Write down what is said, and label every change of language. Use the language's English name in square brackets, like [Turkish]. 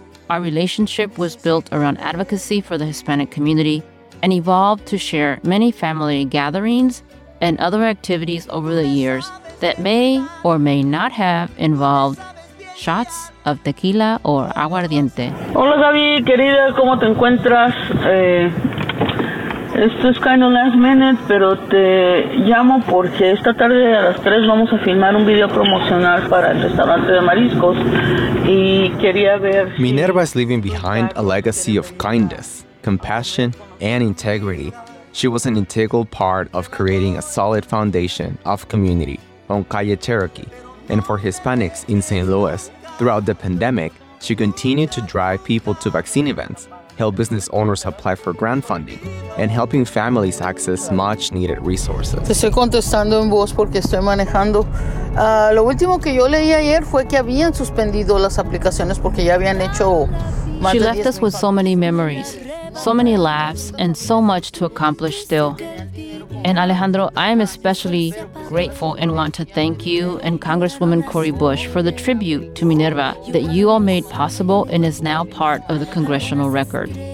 [English] Our relationship was built around advocacy for the Hispanic community and evolved to share many family gatherings and other activities over the years that may or may not have involved shots of tequila or aguardiente. [Spanish] Hola, Gaby, querida, ¿cómo te encuentras? Esto es [English] kind of last minute, [Spanish] pero te llamo porque esta tarde a las 3 vamos a filmar un video promocional para el restaurante de mariscos y quería ver... [English] Minerva is leaving behind a legacy of kindness, compassion, and integrity. She was an integral part of creating a solid foundation of community on Calle Cherokee, and for Hispanics in St. Louis. Throughout the pandemic, she continued to drive people to vaccine events, help business owners apply for grant funding, and helping families access much needed resources. [Spanish] Te estoy contestando en voz porque estoy manejando. Lo último que yo leí ayer fue que habían suspendido las aplicaciones porque ya habían hecho. [English] She left us with so many memories, so many laughs, and so much to accomplish still. And Alejandro, I am especially grateful and want to thank you and Congresswoman Cori Bush for the tribute to Minerva that you all made possible and is now part of the congressional record.